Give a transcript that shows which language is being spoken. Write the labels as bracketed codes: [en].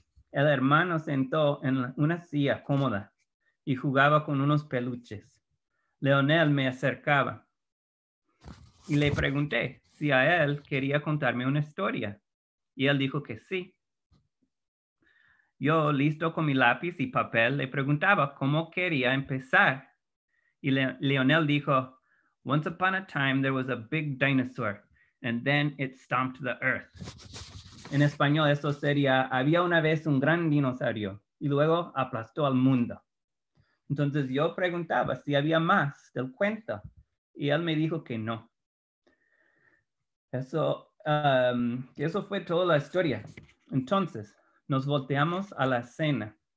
[es] El hermano sentó en una silla cómoda y jugaba con unos peluches. Leonel me acercaba y le pregunté si a él quería contarme una historia. Y él dijo que sí. Yo, listo con mi lápiz y papel, le preguntaba cómo quería empezar. Y Leonel dijo, [en] "Once upon a time, there was a big dinosaur, and then it stomped the earth." [es] En español, eso sería, había una vez un gran dinosaurio y luego aplastó al mundo. Entonces yo preguntaba si había más del cuento y él me dijo que no. Eso fue toda la historia. Entonces nos volteamos a la escena.